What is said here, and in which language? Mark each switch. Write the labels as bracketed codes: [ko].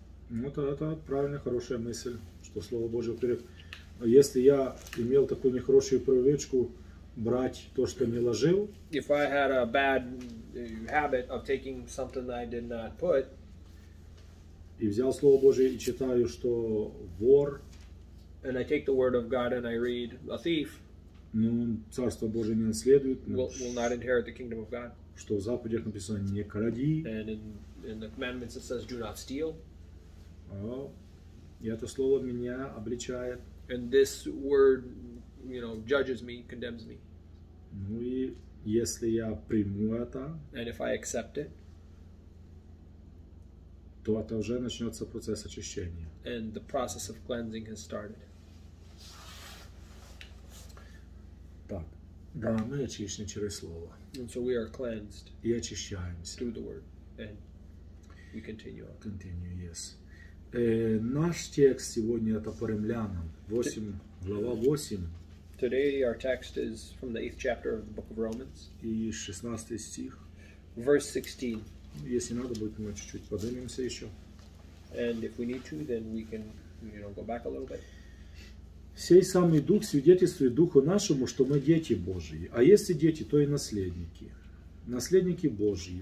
[ru] Ну, это правильная, хорошая мысль, что Слово Божье вперед. Если я имел такую нехорошую привычку брать то, что не ложил. [en] If I had a bad habit of taking something I did not put. [ru] И взял Слово Божие и читаю, что вор. [en] And I take the word of God and I read a thief. [ru] Ну, Царство Божие не наследует. [en] Will not inherit the kingdom of God. [ru] Что в заповедях написано, не кради. [en] And in the commandments it says, do not steal. [ru] И это слово меня обличает. [en] And this word, you know, judges me, condemns me. [ru] Ну и если я приму это, [en] and if I accept it, [ru] то это уже начнется процесс очищения. [en] And the process of cleansing has started. [ru] Так, да, мы очищены через слово. [en] And so we are cleansed. [ru] И очищаемся. [en] Through the word, and we continue. On. Continue, yes. [ru] Наш текст сегодня это по Римлянам, 8, глава 8. [en] Today our text is from the 8th chapter of the book of Romans. [ru] И 16 стих. [en] Verse 16. [ru] Если надо будет, мы чуть-чуть поднимемся еще. [en] And if we need to, then we can, you know, go back a little bit. [ru] Сей самый Дух свидетельствует Духу нашему, что мы дети Божьи. А если дети, то и наследники. Наследники Божьи.